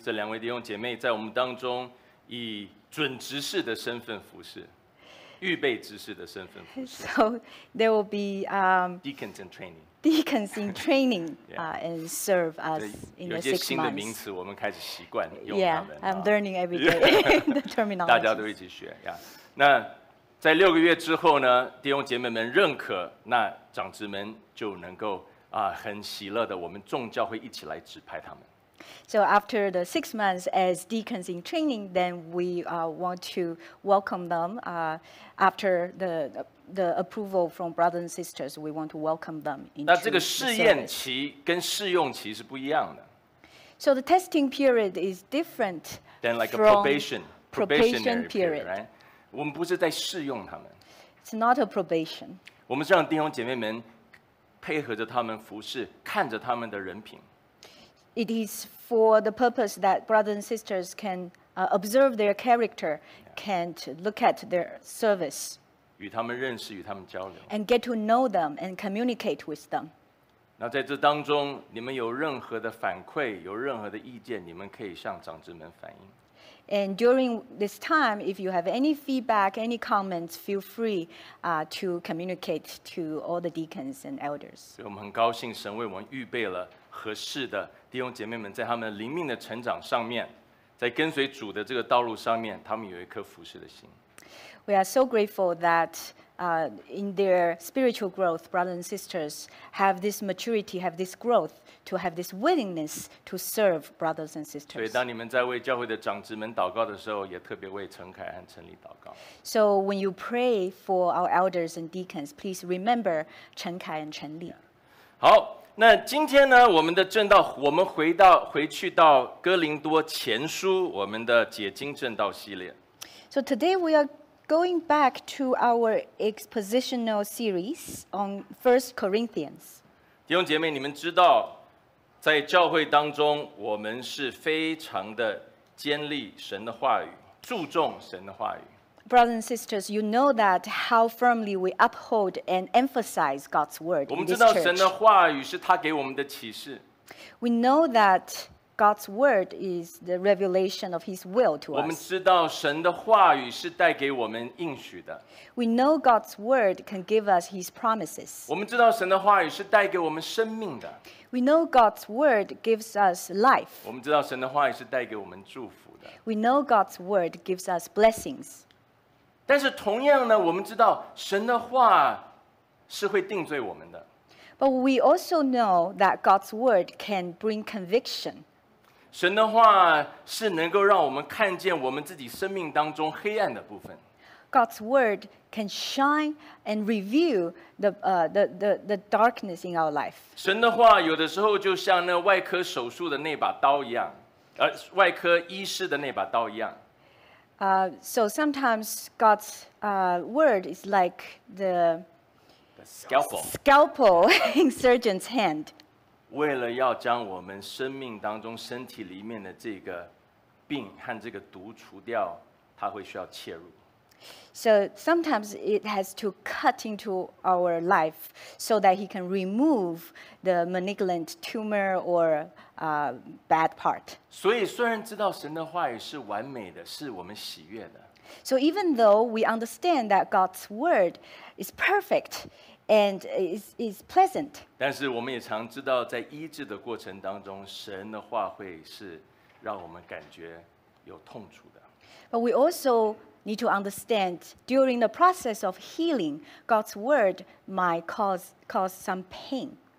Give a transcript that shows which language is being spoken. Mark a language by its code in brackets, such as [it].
[zh] 这两位弟兄姐妹在我们当中以准执事的身份服事，预备执事的身份服事。 [en] So there will be deacons in training. Deacons in training and serve us in the 6 months. [zh] 有些新的名词，我们开始习惯用它们。 [en] Yeah, I'm learning every day the terminology. [zh] 大家都一起学呀。那在六个月之后呢，弟兄姐妹们认可，那长执们就能够很喜乐的，我们众教会一起来指派他们。 [en] So after the 6 months as deacons in training, then we want to welcome them. After the approval from brothers and sisters, we want to welcome them into the service. [zh] 那这个试验期跟试用期是不一样的。 [en] So the testing period is different than like a probation period, [zh] right? 我们不是在试用他们。 [en] It's not a probation. [zh] 我们是让弟兄姐妹们配合着他们服事，看着他们的人品。 [en] It is for the purpose that brothers and sisters can observe their character, can look at their service. [zh] 与他们认识，与他们交流。 [en] And get to know them and communicate with them. [zh] 那在这当中，你们有任何的反馈，有任何的意见，你们可以向长子们反映。 [en] And during this time, if you have any feedback, any comments, feel free to communicate to all the deacons and elders. [zh] 所以我们很高兴神为我们预备了合适的弟兄姐妹们，在他们灵命的成长上面，在跟随主的这个道路上面，他们有一颗服事的心。 [en] We are so grateful that in their spiritual growth, brothers and sisters have this maturity, have this growth to have this willingness to serve brothers and sisters. [zh] 所以当你们在为教会的长子们祷告的时候，也特别为陈凯和陈丽祷告。 [en] So when you pray for our elders and deacons, please remember 陈凯和陈丽。 [zh] 好，那今天呢，我们的正道，我们回去到哥林多前书，我们的解经正道系列。 [en] So today we are going back to our expositional series on 1 Corinthians. [zh] 弟兄姐妹，你们知道，在教会当中，我们是非常的坚立神的话语，注重神的话语。 [en] Brothers and sisters, you know that how firmly we uphold and emphasize God's word in this church. [zh] 神的话语是他给我们的启示。 [en] We know that God's word is the revelation of His will to us. [zh] 我们知道神的话语是带给我们应许的。 [en] We know God's word can give us His promises. [zh] 我们知道神的话语是带给我们生命的。 [en] We know God's word gives us life. [zh] 我们知道神的话语是带给我们祝福的。 [en] We know God's word gives us blessings. [zh] 但是同样呢，我们知道神的话是会定罪我们的。 [en] But we also know that God's word can bring conviction. [zh] 神的话是能够让我们看见我们自己生命当中黑暗的部分。 [en] God's word can shine and reveal the darkness in our life. [zh] 神的话有的时候就像那外科手术的那把刀一样，外科医师的那把刀一样。 [en] So sometimes God's word is like the scalpel in surgeon's hand. [zh] 为了要将我们生命当中身体里面的这个病和这个毒除掉，它会需要切入。 [en] So sometimes it has to cut into our life so that He can remove the malignant tumor or bad part. [zh] 所以虽然知道神的话语是完美的，是我们喜悦的。 [en] So even though we understand that God's word is perfect and is pleasant. [zh] 但是我们也常知道在医治的过程当中，神的话会是让我们感觉有痛楚的。 [en] But we also need to understand during the process of healing, God's word might cause some pain.